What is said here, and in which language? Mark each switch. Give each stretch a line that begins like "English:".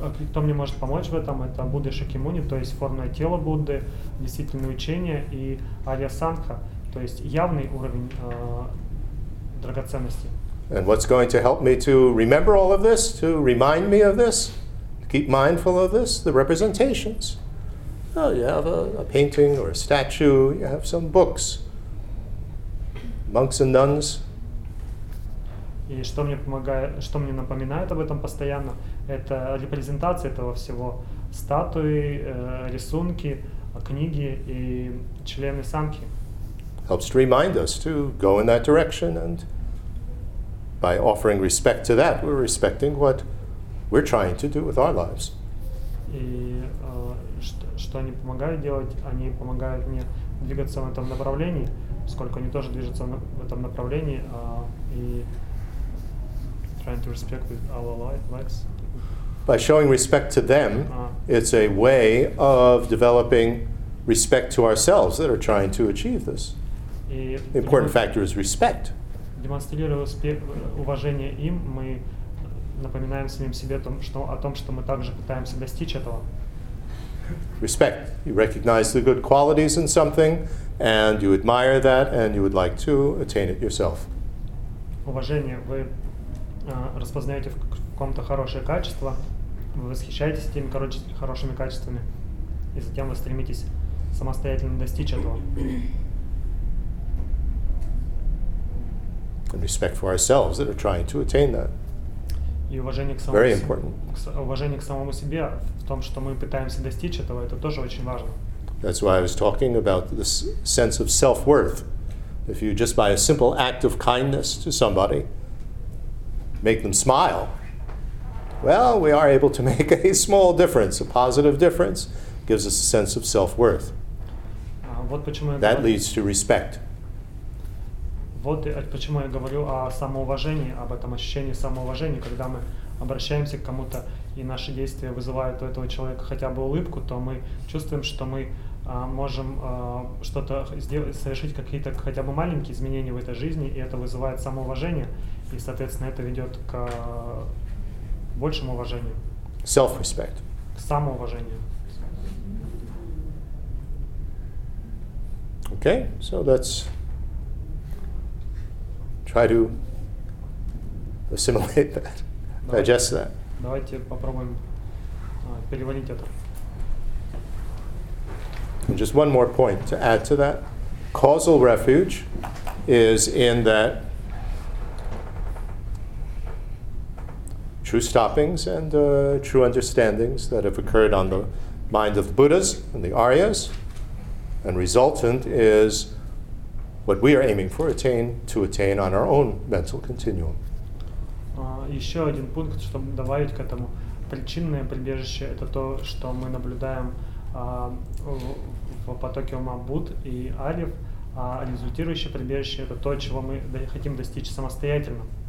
Russian: Кто мне может помочь в этом? Это Будда Шакьямуни, то есть формное тело Будды, действительное учение и Арья Сангха, то есть явный уровень драгоценности.
English: And what's going to help me to remember all of this, to remind me of this, to keep mindful of this? The representations. Oh, you have a painting or a statue, you have some books, monks and nuns.
Russian: И что мне помогает, что мне напоминает об этом постоянно? Это репрезентация этого всего. Статуи, рисунки, книги и члены самки.
English: Helps to remind us to go in that direction, and by offering respect to that, we're respecting what we're trying to do with our lives.
Russian: И что они помогают делать? Они помогают мне двигаться в этом направлении, поскольку они тоже движутся в этом направлении, и
English: trying to respect with our lives. By showing respect to them, it's a way of developing respect to ourselves that are trying to achieve this. The important factor is respect.
Russian: Демонстрируя уважение им, мы напоминаем самим себе о том, что мы также пытаемся достичь этого. Respect.
English: You recognize the good qualities in something, and you admire that, and you would like to attain it yourself.
Russian: Уважение. Вы распознаете в каком-то хорошее качество. Вы восхищаетесь теми хорошими качествами, и затем вы стремитесь самостоятельно достичь этого.
English: And respect for ourselves that are trying to attain that.
Russian: И уважение к самому себе.
English: Very important.
Russian: Уважение к самому себе в том, что мы пытаемся достичь этого, это тоже очень важно.
English: That's why I was talking about this sense of self-worth. If you just by a simple act of kindness to somebody make them smile. Well, we are able to make a small difference, a positive difference, gives us a sense of self-worth. That leads to respect.
Russian: Вот почему я говорю о самоуважении, об этом ощущении самоуважения. Когда мы обращаемся к кому-то, и наши действия вызывают у этого человека хотя бы улыбку, то мы чувствуем, что мы можем что-то сделать, совершить какие-то хотя бы маленькие изменения в этой жизни, и это вызывает самоуважение, и, соответственно, это ведет к большему уважению.
English: Self-respect.
Russian: К самоуважению.
English: Okay, so that's try to assimilate that, digest that.
Russian: Давайте попробуем переварить это.
English: And just one more point to add to that. Causal refuge is in that true stoppings and true understandings that have occurred on the mind of the Buddhas and the Aryas, and resultant is what we are aiming for to attain on our own mental continuum.
Russian: Еще один пункт, чтобы добавить к этому. Причинное прибежище — это то, что мы наблюдаем в потоке ума Будд и Арьев, а результирующее прибежище — это то, чего мы хотим достичь самостоятельно.